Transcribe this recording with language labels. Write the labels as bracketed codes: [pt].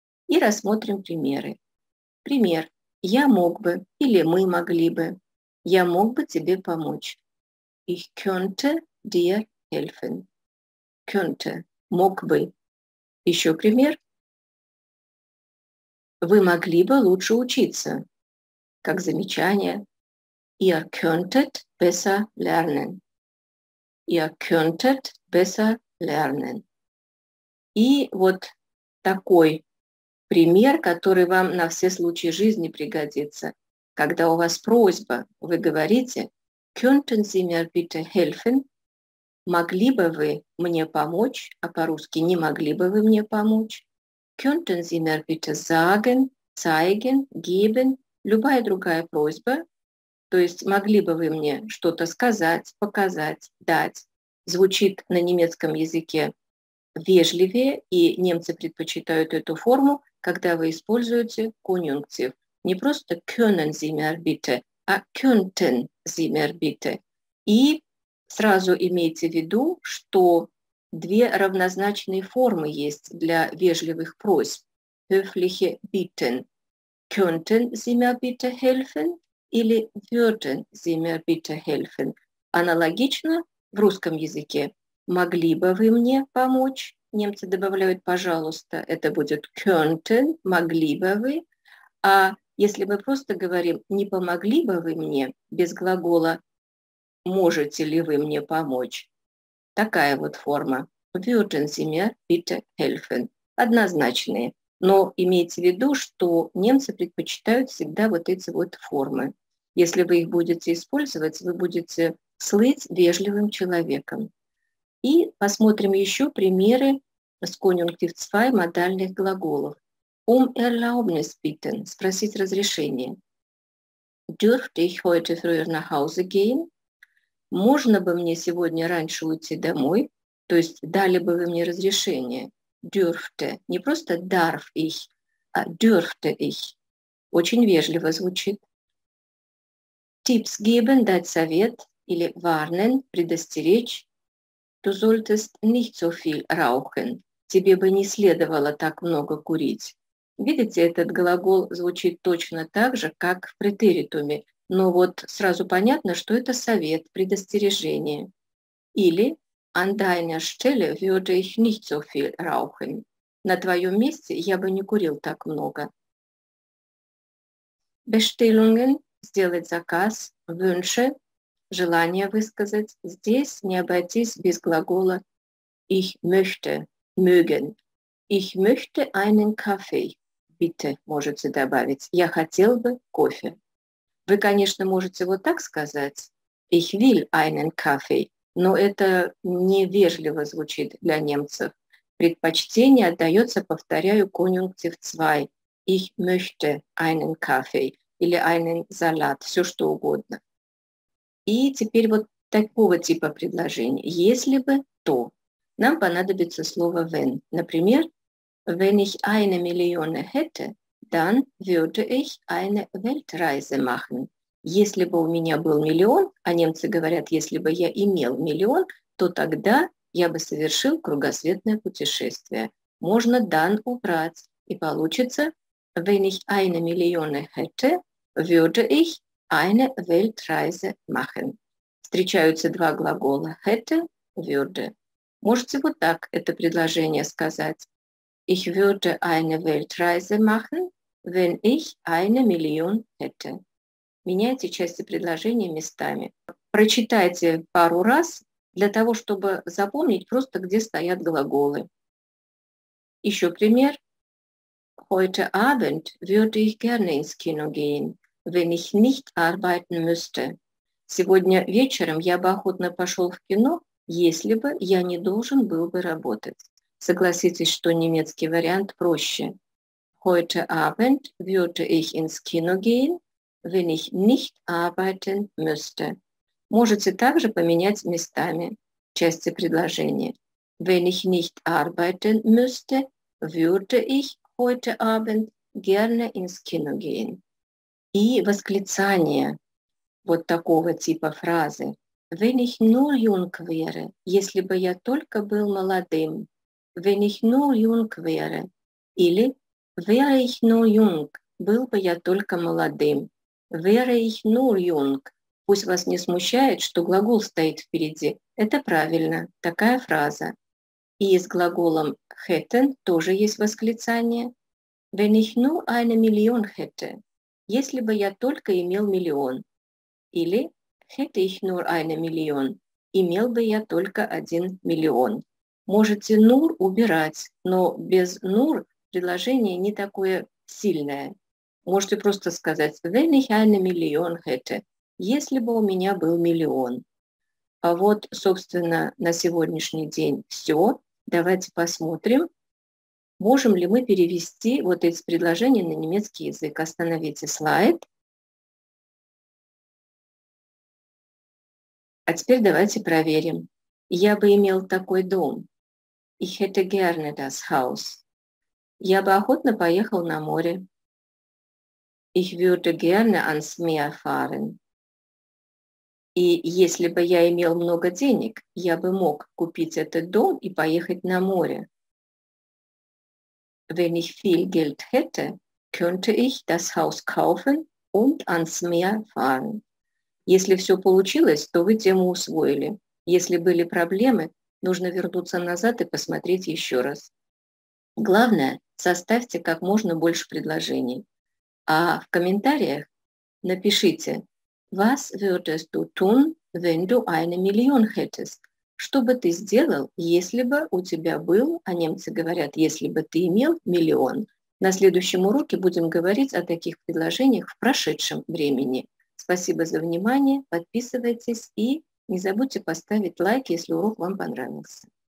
[ru] И рассмотрим примеры. Пример. Я мог бы или мы могли бы. Я мог бы тебе помочь. [de] Ich könnte dir helfen. [ru] Könnte, мог бы. Еще пример. Вы могли бы лучше учиться, как замечание. [de] Ihr könntet besser lernen. Ihr könntet besser lernen. [ru] И вот такой пример, который вам на все случаи жизни пригодится. Когда у вас просьба, вы говорите: [de] Könnten Sie mir bitte helfen? [ru] Могли бы вы мне помочь, а по-русски не могли бы вы мне помочь? [de] Könnten Sie mir bitte sagen, zeigen, geben? [ru] Любая другая просьба, то есть могли бы вы мне что-то сказать, показать, дать, звучит на немецком языке вежливее, и немцы предпочитают эту форму, когда вы используете конъюнктив. Не просто [de] können Sie mir bitte, [ru] а [de] könnten Sie mir bitte. [ru] И сразу имейте в виду, что две равнозначные формы есть для вежливых просьб. [de] Höfliche bitten. Könnten Sie mir bitte helfen? [ru] Или [de] würden Sie mir bitte helfen? [ru] Аналогично в русском языке. Могли бы вы мне помочь? Немцы добавляют «пожалуйста». Это будет könnten, могли бы вы. А если мы просто говорим «не помогли бы вы мне» без глагола «можете ли вы мне помочь?» Такая вот форма. [de] Würden Sie mir bitte helfen. [ru] Однозначные. Но имейте в виду, что немцы предпочитают всегда вот эти вот формы. Если вы их будете использовать, вы будете слыть вежливым человеком. И посмотрим еще примеры с конъюнктив 2 модальных глаголов. [de] Erlaubnis bitten. [ru] Спросить разрешение. [de] Dürfte ich heute früher nach Hause gehen? [ru] Можно бы мне сегодня раньше уйти домой? То есть дали бы вы мне разрешение. Dürfte. Не просто [de] darf ich, [ru] а [de] dürfte ich. [ru] Очень вежливо звучит. [de] Tipps geben, [ru] дать совет. Или warnen, предостеречь. [de] Du solltest nicht so viel rauchen. [ru] Тебе бы не следовало так много курить. Видите, этот глагол звучит точно так же, как в претеритуме. Но вот сразу понятно, что это совет, предостережение. [de] Или an deiner Stelle würde ich nicht so viel rauchen. [ru] На твоем месте я бы не курил так много. Bestellungen, сделать заказ, wünsche, желание высказать. Здесь не обойтись без глагола [de] ich möchte, [ru] mögen. [de] Ich möchte einen Kaffee, bitte, [ru] можете добавить. Я хотел бы кофе. Вы, конечно, можете вот так сказать [de] «Ich will einen Kaffee», [ru] но это невежливо звучит для немцев. Предпочтение отдается, повторяю, конъюнктив 2. [de] «Ich möchte einen Kaffee» [ru] или [de] «einen Salat», [ru] все что угодно. И теперь вот такого типа предложений. «Если бы, то». Нам понадобится слово «wenn». Например, [de] «Wenn ich eine Million hätte», dann würde ich eine Weltreise machen. [ru] Если бы у меня был миллион, а немцы говорят, если бы я имел миллион, то тогда я бы совершил кругосветное путешествие. Можно dann убрать. И получится, [de] wenn ich eine Million hätte, würde ich eine Weltreise machen. [ru] Встречаются два глагола hätte, würde. Можете вот так это предложение сказать. [de] Ich würde eine Weltreise machen, wenn ich eine Million hätte. [ru] Меняйте части предложения местами. Прочитайте пару раз для того, чтобы запомнить просто, где стоят глаголы. Еще пример. [de] Heute Abend würde ich gerne ins Kino gehen, wenn ich nicht arbeiten müsste. [ru] Сегодня вечером я бы охотно пошел в кино, если бы я не должен был бы работать. Согласитесь, что немецкий вариант проще. [de] Heute Abend würde ich ins Kino gehen, wenn ich nicht arbeiten müsste. [ru] Можете также поменять местами части предложения. [de] Wenn ich nicht arbeiten müsste, würde ich heute Abend gerne ins Kino gehen. [ru] И восклицание вот такого типа фразы. [de] Wenn ich nur jung wäre, [ru] если бы я только был молодым. [de] Wenn ich nur jung wäre. [ru] Или [de] wäre ich nur jung, [ru] был бы я только молодым. [de] Wäre ich nur jung. [ru] Пусть вас не смущает, что глагол стоит впереди. Это правильно, такая фраза. И с глаголом hätten тоже есть восклицание. [de] Wenn ich nur eine Million hätte. [ru] Если бы я только имел миллион. Или [de] hätte ich nur eine Million. [ru] Имел бы я только один миллион. Можете nur убирать, но без nur предложение не такое сильное. Можете просто сказать [de] wenn ich eine Million hätte. [ru] Если бы у меня был миллион. А вот, собственно, на сегодняшний день все. Давайте посмотрим, можем ли мы перевести вот эти предложения на немецкий язык. Остановите слайд. А теперь давайте проверим. Я бы имел такой дом. [de] Ich hätte gerne das Haus. [ru] Я бы охотно поехал на море. [de] Ich würde gerne ans Meer fahren. [ru] И если бы я имел много денег, я бы мог купить этот дом и поехать на море. [de] Wenn ich viel Geld hätte, könnte ich das Haus kaufen und ans Meer fahren. [ru] Если все получилось, то вы тему усвоили. Если были проблемы, нужно вернуться назад и посмотреть еще раз. Главное, составьте как можно больше предложений. А в комментариях напишите. [de] Was würdest du tun, wenn du eine Million hättest? [ru] Что бы ты сделал, если бы у тебя был, а немцы говорят, если бы ты имел миллион? На следующем уроке будем говорить о таких предложениях в прошедшем времени. Спасибо за внимание, подписывайтесь и не забудьте поставить лайк, если урок вам понравился.